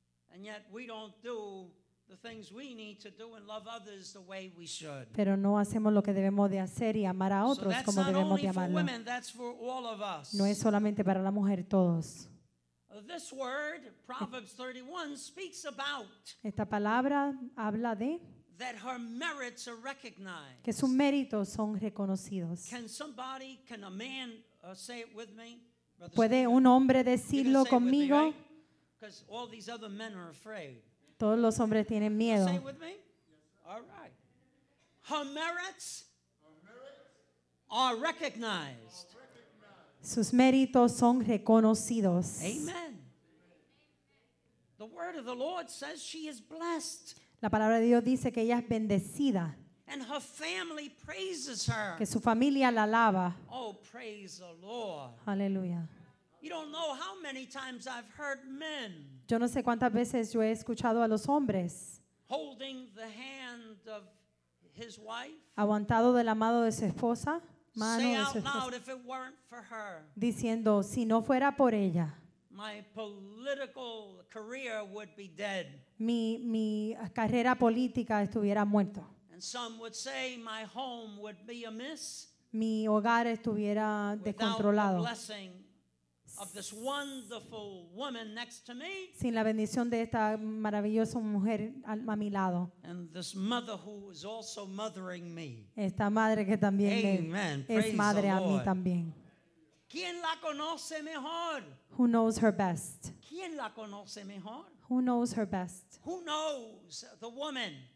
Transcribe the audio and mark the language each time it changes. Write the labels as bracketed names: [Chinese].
[English] And yet we don't do the things we need to do and love others the way we should. [Spanish] Pero no hacemos lo que debemos de hacer y amar a otros como debemos de amarlo. [English] So that's not only for women, that's for all of us. [Spanish] No es solamente para la mujer, todos. [English] This word, Proverbs 31, speaks about [Spanish] esta palabra habla de [English] that her merits are recognized. [Spanish] Que sus méritos son reconocidos. [English] Can a man say it with me? [Spanish] ¿Puede un hombre decirlo conmigo? [English] Because all these other men are afraid. [Spanish] Todos los hombres tienen miedo. [English] Say it with me? All right. Her merits are recognized. [Spanish] Sus méritos son reconocidos. [English] Amen. The word of the Lord says she is blessed. [Spanish] La palabra de Dios dice que ella es bendecida. [English] And her family praises her. [Spanish] Que su familia la alaba. [English] Oh, praise the Lord. [Spanish] Aleluya. [English] You don't know how many times I've heard men. [Spanish] Yo no sé cuántas veces yo he escuchado a los hombres. [English] Holding the hand of his wife. [Spanish] Aguantado de la mano de su esposa. [English] Say out loud if it weren't for her. [Spanish] Diciendo, si no fuera por ella. [English] My political career would be dead. [Spanish] Mi carrera política estuviera muerto. [English] And some would say my home would be amiss. [Spanish] Mi hogar estuviera descontrolado. [English] Without the blessing of this wonderful woman next to me. [Spanish] Sin la bendición de esta maravillosa mujer a mi lado. [English] And this mother who is also mothering me. [Spanish] Esta madre que también [English] Amen. [Spanish] Es madre a mí también. ¿Quién la conoce mejor? [English] Who knows her best? [Spanish] ¿Quién la conoce mejor? [English] Who knows her best? Who knows the woman?